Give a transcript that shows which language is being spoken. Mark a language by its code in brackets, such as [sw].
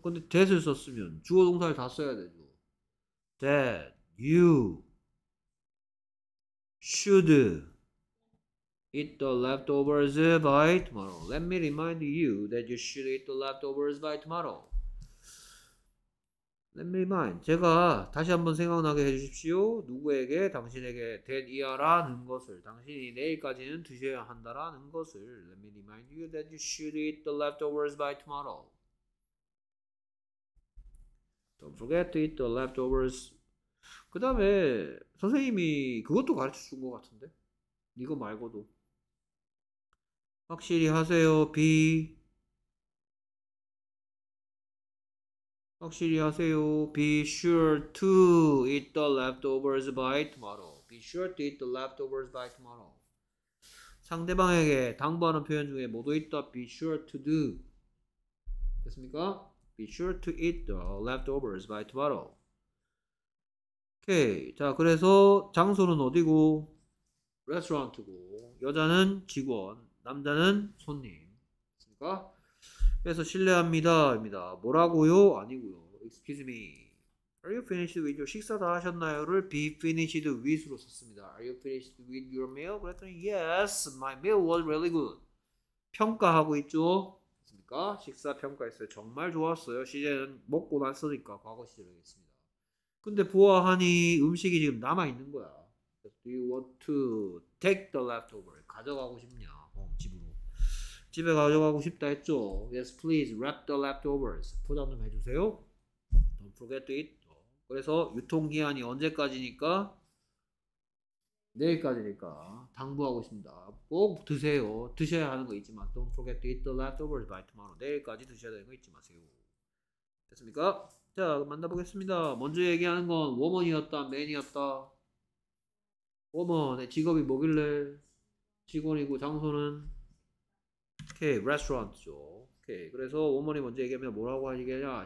[ko] 근데 that을 썼으면 주어 동사를 다 써야 되죠. [en] That you should eat the leftovers by tomorrow. Let me remind you that you should eat the leftovers by tomorrow. Let me remind. [ko] 제가 다시 한번 생각나게 해주십시오. 누구에게 당신에게 that 이하라는 것을 당신이 내일까지는 드셔야 한다라는 것을 [en] Let me remind you that you should eat the leftovers by tomorrow. Don't forget to eat the leftovers. [ko] 그 다음에 선생님이 그것도 가르쳐 준 것 같은데 이거 말고도 확실히 하세요 [en] B 확실히 하세요 Be sure to eat the leftovers by tomorrow Be sure to eat the leftovers by tomorrow [ko] 상대방에게 당부하는 표현 중에 모두 있다 [en] Be sure to do [ko] 됐습니까? [en] Be sure to eat the leftovers by tomorrow 오케이. [ko] 자, 그래서 장소는 어디고? 레스토랑트고 여자는 직원, 남자는 손님. 됐습니까? 그래서 실례합니다입니다. 뭐라고요? 아니고요. [en] Excuse me. Are you finished with your [ko] 식사 다 하셨나요를 be finished with로 썼습니다. [en] Are you finished with your meal? [ko] 그랬더니 [en] yes, my meal was really good. [ko] 평가하고 있죠. 됐습니까? 식사 평가했어요. 정말 좋았어요. 시제는 먹고 났으니까 과거 시제로겠습니다. 근데 보아하니 음식이 지금 남아있는 거야. [en] Do you want to take the leftover? [ko] 가져가고 싶냐? 집으로. 집에 가져가고 싶다 했죠. [en] Yes, please wrap the leftovers. [ko] 포장 좀 해주세요. [en] Don't forget to eat. [ko] 그래서 유통기한이 언제까지니까? 내일까지니까. 당부하고 싶습니다. 꼭 드세요. 드셔야 하는 거 있지만 [en] Don't forget to eat the leftovers by tomorrow. [ko] 내일까지 드셔야 되는 거 잊지 마세요. 됐습니까? 자, 만나보겠습니다. 먼저 얘기하는 건 워먼이었다, 맨이었다. 워먼의 직업이 뭐길래? 직원이고 장소는? 오케이, 레스토랑트죠. 오케이, 그래서 워먼이 먼저 얘기하면 뭐라고 하시겠냐?